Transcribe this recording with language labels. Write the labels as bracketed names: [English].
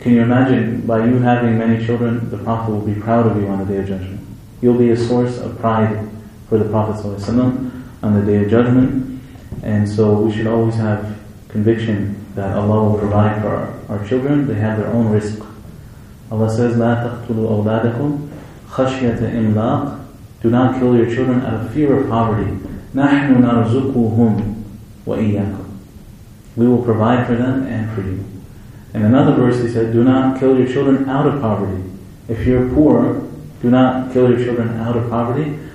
[English] Can you imagine, by you having many children, the Prophet will be proud of you on the Day of Judgment. You'll be a source of pride for the Prophet ﷺ on the Day of Judgment. And so we should always have conviction that Allah will provide for our children. They have their own risk. [Arabic] Allah says, لَا تَقْتُلُوا أَوْلَادَكُمْ خَشْيَةَ إِمْلَاقٍ. [English] Do not kill your children out of fear of poverty. [Arabic] نَحْنُ نَرْزُقُهُمْ وَإِيَّاكُمْ. [English] We will provide for them and for you. In another verse he said, do not kill your children out of poverty. If you're poor, do not kill your children out of poverty.